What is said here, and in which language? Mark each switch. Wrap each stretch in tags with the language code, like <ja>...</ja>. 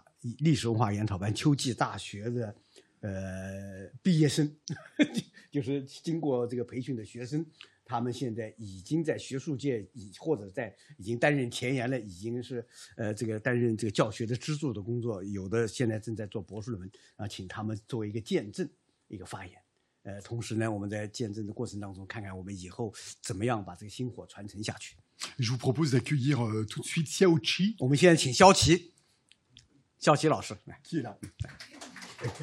<zh>下面的一审就是我们请中法历史文化研讨班秋季大学的 毕业生，就是经过这个培训的学生，他们现在已经在学术界，或者在已经担任前沿了，已经是这个担任这个教学的支柱的工作，有的现在正在做博士论文，请他们作为一个见证，一个发言。同时呢，我们在见证的过程当中，看看我们以后怎么样把这个星火传承下去。</zh> <fr>Je vous propose d'accueillir tout de suite Xiaoqi.</fr> <zh>我们现在请萧琪，萧琪老师来。</zh>